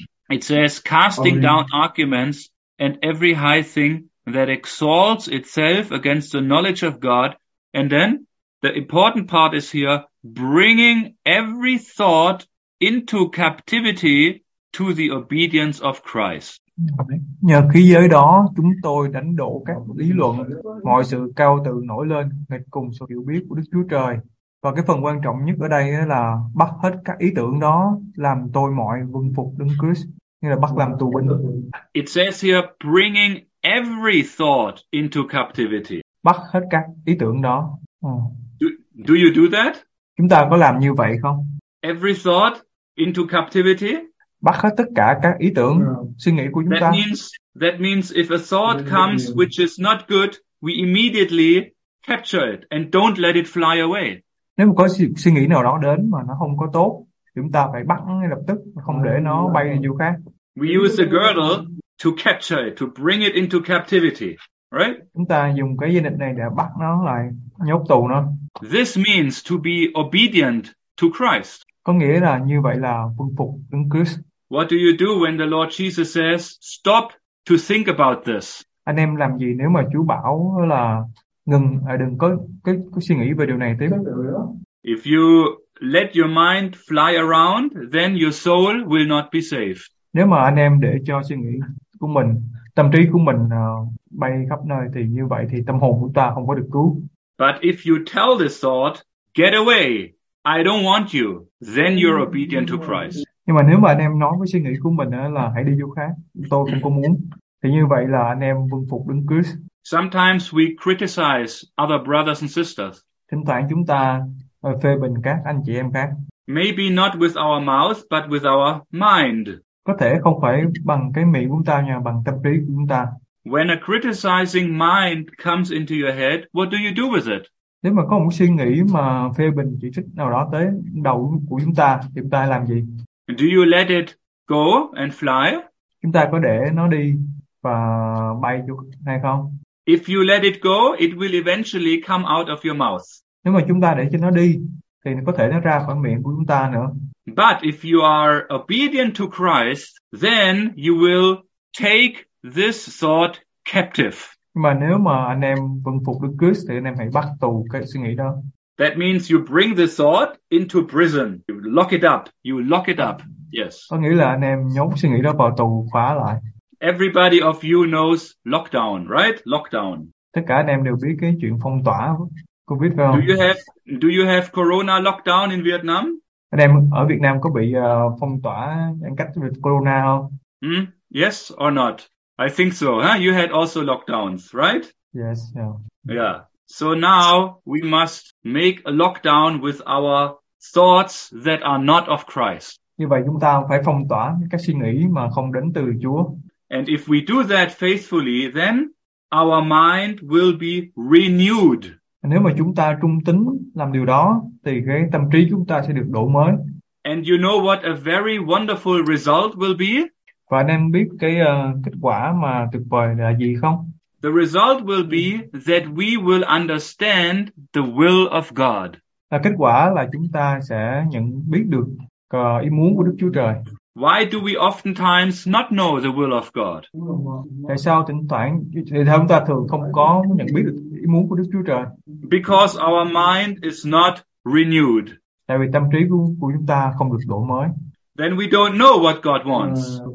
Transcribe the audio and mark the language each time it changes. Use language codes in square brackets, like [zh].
[en] It says, casting down arguments and every high thing that exalts itself against the knowledge of God. And then the important part is here, bringing every thought into captivity to the obedience of Christ. [vi] Nhờ khí giới đó, chúng tôi đánh đổ các lý luận, mọi sự cao tự nổi lên nghịch cùng sự hiểu biết của Đức Chúa Trời. Và cái phần quan trọng nhất ở đây là bắt hết các ý tưởng đó làm tôi mọi vâng phục Đấng Christ. như là bắt làm tù binh. [en] It says here bringing every thought into captivity. [vi] Bắt hết các ý tưởng đó. [en] Do you do that? [vi] Chúng ta có làm như vậy không? [en] Every thought into captivity? [vi] Bắt hết tất cả các ý tưởng, suy nghĩ của chúng [en] that [vi] ta. [en] That means if a thought comes which is not good, we immediately capture it and don't let it fly away. [vi] Nếu mà có suy nghĩ nào đó đến mà nó không có tốt, chúng ta phải bắt ngay lập tức, không để nó bay đi chỗ khác. [en] We use a girdle to capture it, to bring it into captivity, right? [vi] Chúng ta dùng cái dây nịt này để bắt nó lại, nhốt tù nó. [en] This means to be obedient to Christ. [vi] Có nghĩa là như vậy là phục vụ Đấng Christ. [en] What do you do when the Lord Jesus says, stop to think about this? [vi] Anh em làm gì nếu mà Chúa bảo là ngừng, đừng có cái suy nghĩ về điều này tiếp? [en] If you let your mind fly around, then your soul will not be safe. [vi] Nếu mà anh em để cho suy nghĩ của mình, tâm trí của mình bay khắp nơi thì như vậy thì tâm hồn của ta không có được cứu. [en] But if you tell this thought, get away, I don't want you, then you're obedient to Christ. [vi] Nhưng mà nếu mà anh em nói với suy nghĩ của mình là hãy đi chỗ khác, tôi không có muốn, thì như vậy là anh em vâng phục Đấng Christ. [en] Sometimes we criticize other brothers and sisters. [vi] Thỉnh thoảng chúng ta phê bình các anh chị em khác. [en] Maybe not with our mouth, but with our mind. [vi] Có thể không phải bằng cái miệng của chúng ta, nhưng bằng tâm trí của chúng ta. [en] When a criticizing mind comes into your head, what do you do with it? [vi] Nếu mà có một suy nghĩ mà phê bình chỉ trích nào đó tới đầu của chúng ta, thì chúng ta làm gì? [en] Do you let it go and fly? [vi] Chúng ta có để nó đi và bay được hay không? [en] If you let it go, it will eventually come out of your mouth. [vi] Nếu mà chúng ta để cho nó đi, thì có thể nó ra khỏi miệng của chúng ta nữa. [en] But if you are obedient to Christ, then you will take this thought captive. [vi] Mà nếu mà anh em vâng phục Đức Christ thì anh em hãy bắt tù cái suy nghĩ đó. [en] That means you bring the thought into prison. You lock it up. You lock it up. Yes. [vi] Có nghĩa là anh em nhốt suy nghĩ đó vào tù, khóa lại. [en] Everybody of you knows lockdown, right? Lockdown. [vi] Tất cả anh em đều biết cái chuyện phong tỏa COVID phải không? [en] Do you have corona lockdown in Vietnam? [vi] Anh em ở Việt Nam có bị phong tỏa giãn cách về corona không? [en] Yes or not? I think so. Huh? You had also lockdowns, right? Yes. Yeah. Yeah. So now we must make a lockdown with our thoughts that are not of Christ. [vi] Như vậy chúng ta phải phong tỏa các suy nghĩ mà không đến từ Chúa. [en] And if we do that faithfully, then our mind will be renewed. [vi] Nếu mà chúng ta trung tín làm điều đó, thì cái tâm trí chúng ta sẽ được đổi mới. [en] And you know what a very wonderful result will be? [vi] Và anh em biết cái kết quả mà tuyệt vời là gì không? [en] The result will be that we will understand the will of God. [vi] Là kết quả là chúng ta sẽ nhận biết được ý muốn của Đức Chúa Trời. [en] Why do we oftentimes not know the will of God? [vi] Tại sao thỉnh thoảng thì chúng ta thường không có nhận biết được ý muốn của Đức Chúa Trời? [en] Because our mind is not renewed. [vi] Tại vì tâm trí của chúng ta không được đổi mới. [en] Then we don't know what God wants.